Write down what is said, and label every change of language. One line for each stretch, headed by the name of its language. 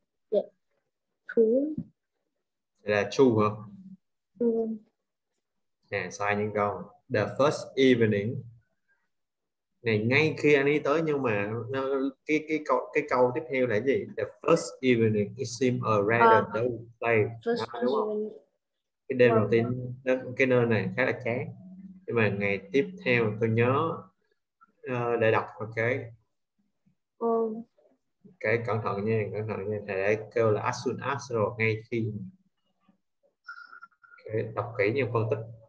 English: Yeah. True.
Vietnamese: Là true hả?
English: True.
Vietnamese: Nè, sai những câu.
English: The first evening.
Vietnamese: Này, ngay khi anh đi tới, nhưng mà cái câu tiếp theo là gì?
English: The first evening it seemed a rather dull place. First evening.
Vietnamese: cái đêm đầu tiên đó, cái nơi này khá là chán, nhưng mà ngày tiếp theo tôi nhớ để đọc cái cẩn thận nha, cẩn thận nha, thầy đã kêu là Asun Asro ngay khi okay, đọc kỹ như phân tích.